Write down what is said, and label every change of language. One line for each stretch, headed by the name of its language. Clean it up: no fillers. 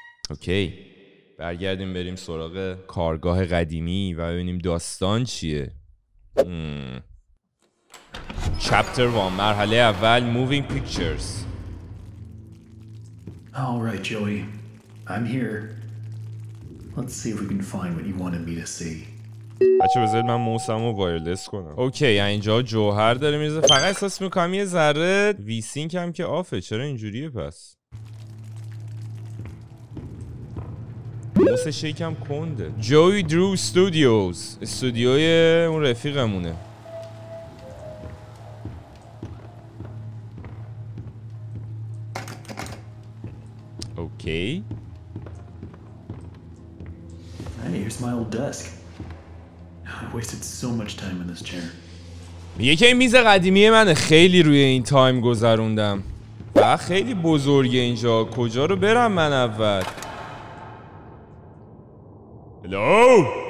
Persian: اوکی، برگردیم بریم سراغ کارگاه قدیمی و ببینیم داستان چیه. چپتر 1، مرحله اول، موینگ پیکچرز.
English: All right, Joey. I'm here. Let's see if we can find what you wanted me to see.
Persian: بچه بذارید من موسم رو وایرلس کنم. اوکی، اینجا جوهر داره میزه. فقط احساس میکنم یه ذره وی سینک هم که آفه. چرا اینجوریه پس؟ موسه شیکم کنده. جوی درو استودیوز، استودیوی اون رفیقمونه. اوکی.
English: Hey, here's my old desk. I wasted so much time in this chair.
Persian: یکی این میز قدیمی منه، خیلی روی این تایم گذروندم. بخ خیلی بزرگه اینجا، کجا رو برم من اول؟ هلو؟